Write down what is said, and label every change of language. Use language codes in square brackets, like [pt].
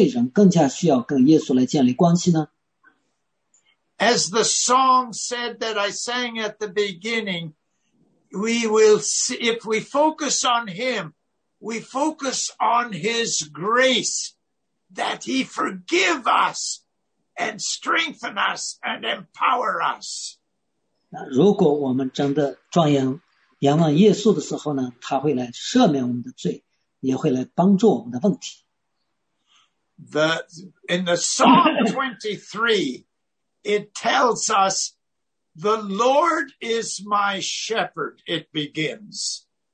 [zh] 如果耶稣他需要来集中在这个天父的身上，通过祷告，我们是不是更加需要来，我们作为罪人，更加需要跟耶稣来建立关系呢？ [en] As the song said that I sang at the beginning, we will see, if we focus on him, we focus on his grace, that he forgive us and strengthen us and empower us. [zh] 如果我们真的转眼仰望耶稣的时候呢，他会来赦免我们的罪，也会来帮助我们的问题。 [en] In the Psalm 23, it tells us, the Lord is my shepherd, it begins.